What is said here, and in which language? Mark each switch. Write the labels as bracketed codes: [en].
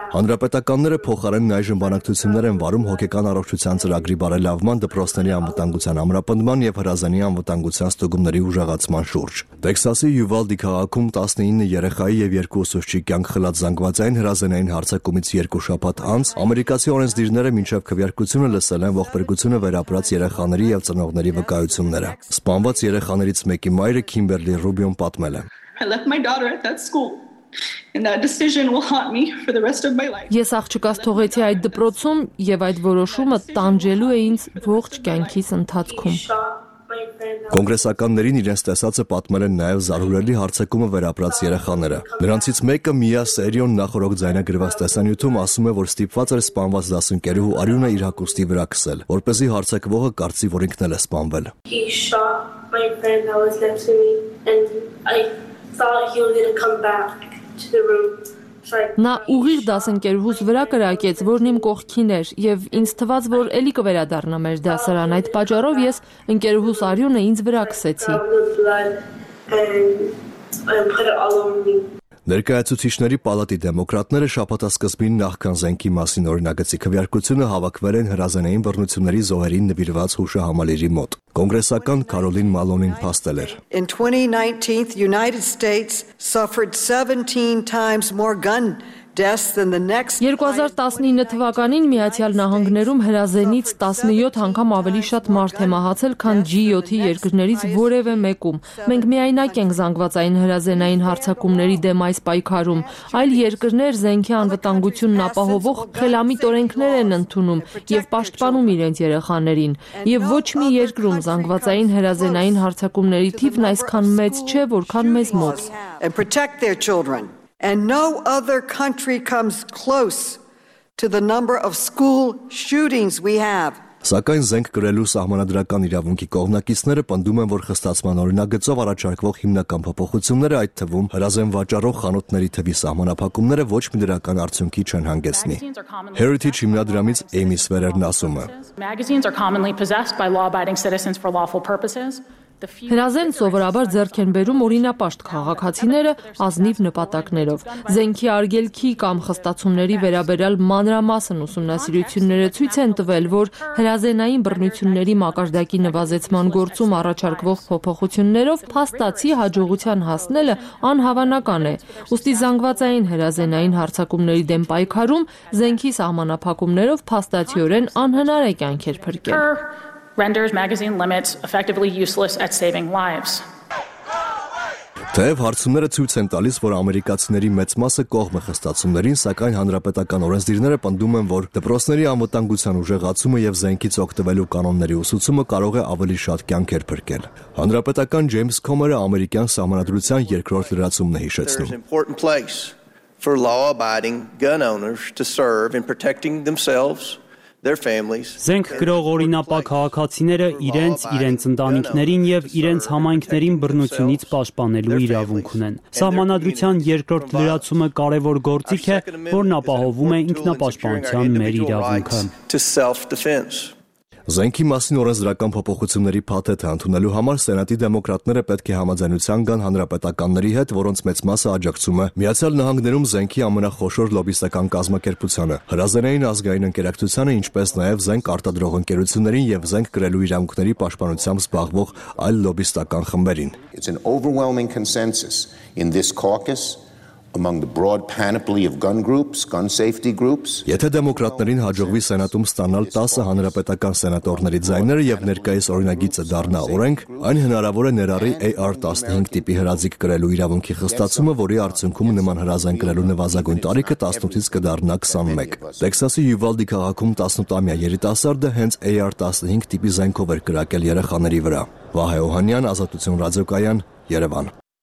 [hy] Հանրապետականները փոխարենն այժմ բանակցություններ են վարում հոգեկան առողջության ծրագրի բարելավման, դպրոցների անվտանգության ամրապնդման և հրազանի անվտանգության ստուգումների ուժեղացման շուրջ։ Տեքսասի Յուվալդի քաղաքում 19 երեխայի և 2 ուսուցչի կյանք խլած զանգվածային հրազանային հարձակումից 2 շաբաթ անց ամերիկացի օրենսդիրները մինչև քվեարկությունը լսել են ողբերգությունը վերապրած երեխաների և ծնողների վկայությունները։ Սպանված երեխաներից մեկի մայրը Քիմբերլի Ռուբիոն պատմել է. [en] And that decision will haunt me for the rest of my life. [hy] Ես աղջկաս թողեցի այդ դպրոցում եւ այդ որոշումը տանջելու է ինձ ողջ կյանքիս ընթացքում։ Կոնգրեսականներին իրենց տեսածը պատմել են նաև զարհուրելի հարցակումը վերապրած երեխաները։ Նրանցից մեկը Միա Սերյոն նախորոք ձայնագրված տեսանյութում ասում է, որ ստիպված էր սպանված դասընկերուհու Արյունը իր հագուստի վրա քսել, որպեսզի հարցակվողը կարծի, որ ինքն էլ է սպանվել։ Նա ուղիղ դասընկերուհուս վրա կրակեց, որն իմ կողքին էր, եւ ինձ թվաց, որ էլի կվերադառնա մեր դասարան, այդ պատճառով ես ընկերուհուս Արյունը ինձ վրա քսեցի։ Ներկայացուցիչների պալատի դեմոկրատները շաբաթասկզբին նախքան զենքի մասին օրինագծի քվեարկությունը հավաքվել են հրազանային բռնությունների զոհերին նվիրված հուշահամալիրի մոտ։ Կոնգրեսական Քարոլին Մալոնին փաստել էր. [en] In 2019, the United States suffered 17 times more gun deaths than the next [hy] 2019 թվականին Միացյալ Նահանգներում հրազենից 17 անգամ ավելի շատ մարդ է մահացել, քան G7-ի երկրներից որևէ մեկում։ Մենք միայնակ ենք զանգվածային հրազենային հարձակումների դեմ այս պայքարում։ Այլ երկրներ զենքի անվտանգությունն ապահովող խելամիտ օրենքներ են ընդունում եւ պաշտպանում իրենց երեխաներին։ Եվ ոչ մի երկրում զանգվածային հրազենային հարձակումների թիվն այսքան մեծ չէ, որքան մեզ մոտ։ [en] And no other country comes close to the number of school shootings we have. [hy] Սակայն զենք գրելու սահմանադրական իրավունքի կողմնակիցները պնդում են, որ խստացման օրինագծով առաջարկվող հիմնական փոփոխությունները, այդ թվում հրազեն վաճառող խանութների թվի սահմանափակումները, ոչ մի դրական արդյունքի չեն հանգեցնի։ Heritage հիմնադրամից Amy Sverer-ն ասում է. [en] Magazines are commonly possessed by law-abiding citizens for lawful purposes. [hy] Հրազեն սովորաբար ձեռք են բերում օրինապաշտ քաղաքացիները ազնիվ նպատակներով։ Զենքի արգելքի կամ խստացումների վերաբերյալ մանրամասն ուսումնասիրությունները ցույց են տվել, որ հրազենային բռնությունների մակարդակի նվազեցման գործում առաջարկվող փոփոխություններով փաստացի հաջողության հասնելը անհավանական է։ Ուստի զանգվածային հրազենային հարձակումների դեմ պայքարում զենքի սահմանափակումներով փաստացիորեն անհնար է կյանքեր փրկել։ [en] Renders magazine limits effectively useless at saving lives. [hy] Թեև հարցումները ցույց են տալիս, որ ամերիկացիների մեծ մասը կողմ է խստացումներին, սակայն հանրապետական օրենսդիրները պնդում են, որ դպրոցների անվտանգության ուժեղացումը եւ զենքից օգտվելու կանոնների ուսուցումը կարող է ավելի շատ կյանքեր փրկել։ Հանրապետական Ջեյմս Քոմերը ամերիկյան սահմանադրության երկրորդ լրացումն է հիշեցնում. Զենք գրող օրինապակ քաղաքացիները իրենց, իրենց ընտանիքներին եւ իրենց համայնքներին բռնությունից պաշտպանելու իրավունք ունեն։ Սահմանադրության երկրորդ լրացումը կարևոր գործիք է, որն ապահովում է ինքնապաշտպանության մեր իրավունքը։ Զենքի մասին օրենսդրական փոփոխությունների փաթեթը ընդունելու համար սենատի դեմոկրատները պետք է համաձայնության գան հանրապետականների հետ, որոնց մեծ մասը աջակցում է Միացյալ Նահանգներում զենքի ամենախոշոր լոբիստական կազմակերպությանը, հրազենային ազգային ընկերակցությանը, ինչպես նաև զենք արտադրող ընկերություններին եւ զենք գրելու իրավունքների պաշտպանությամբ զբաղվող այլ լոբիստական խմբերին։ [en] It's an overwhelming consensus in this caucus among the broad panoply of gun groups, gun safety groups. [hy] Եթե դեմոկրատներին հաջողվի սենատում ստանալ 10 հանրապետական սենատորների ձայները եւ ներկայիս օրինագիծը դառնա օրենք, այն հնարավոր է ներառի AR-15 տիպի հրաձիգ կրելու իրավունքի խստացումը, որի արդյունքում նման հրաձան կրելու նվազագույն տարիքը 18-ից կդառնա 21։ Տեքսասի Յուվալդի քաղաքում 18-ամյա երիտասարդը հենց AR-15 տիպի զենքով էր կրակել երեխաների վրա։ Վահե Օհանյան, Ազատություն ռադիոկայան, Երևան։